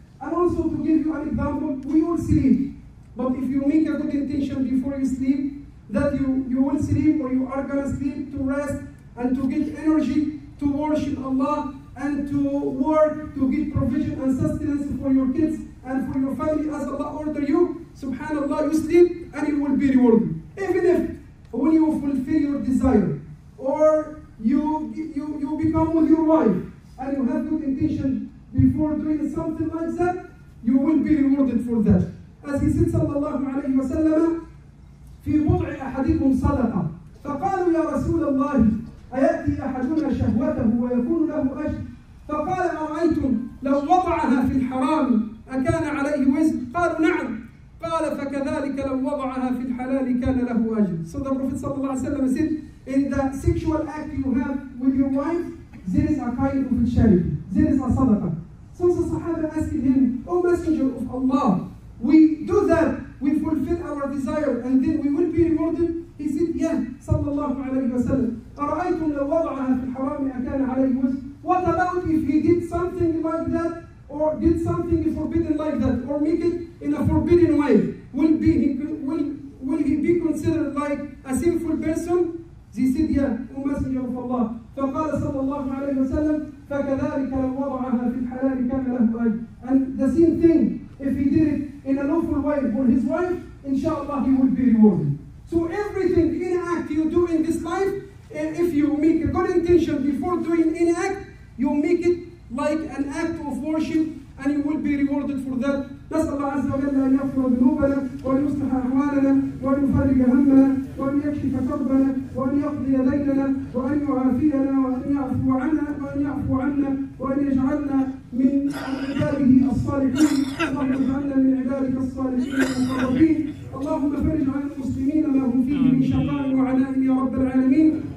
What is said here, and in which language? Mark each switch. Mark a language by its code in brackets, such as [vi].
[en] And also to give you an example, we all sleep. But if you make a good intention before you sleep, that you will sleep or you are going to sleep to rest and to get energy to worship Allah and to work to get provision and sustenance for your kids and for your family as Allah order you, subhanAllah, you sleep and you will be rewarded. Even if when you fulfill your desire or you become with your wife and you have good intention before doing something like that, you will be rewarded for that. As he said [ar] sallallahu alayhi wa sallam, في وضع أحدكم صدقة فقالوا يا رسول الله أيأتي أحدنا شهوته ويكون له أجر فقال أرأيتم لو وضعها في الحرام أكان عليه وزر قالوا نعم قال فكذلك لو وضعها في الحلال كان له أجر. [en] So the Prophet [ar] صلى الله عليه وسلم [en] said, in the sexual act you have with your wife, there is a kind of charity, there is a sadaqah. So the Sahaba asked him, O Messenger of Allah, we do that, we fulfill our desire, and then we will be rewarded. He said, yeah, [ar] صلى الله عليه وسلم. أرأيتم لو وضعها في الحرام أكان عليه وزر. [en] What about if he did something like that, or did something forbidden like that, or make it in a forbidden way, will he be considered like a sinful person? He said, yeah, O Messenger of Allah. [ar] فَقَالَ صَلَّى اللَّهُ عَلَيْهِ وَسَلَّمَ فَكَذَلِكَ لَوْ وَضَعَهَا فِي الْحَلَالِ كَانَ لَهُ أَجْرٌ. [en] And the same thing, if he did it in a lawful way for his wife, inshallah, he will be rewarded. So everything, any act you do in this life, if you make a good intention before doing any act, you make it like an act of worship, and you will be rewarded for that. [ar] نسأل الله عز وجل أن يغفر ذنوبنا وأن يصلح أحوالنا وأن يفرج همنا وأن يكشف كربنا وأن يقضي ديننا وأن يعافينا وأن يعفو عنا وأن يعفو عنا وأن يجعلنا من عباده الصالحين. اللهم اجعلنا من عبادك الصالحين المقربين. اللهم فرج عن المسلمين ما هم فيه من شقاء وعناء يا رب العالمين.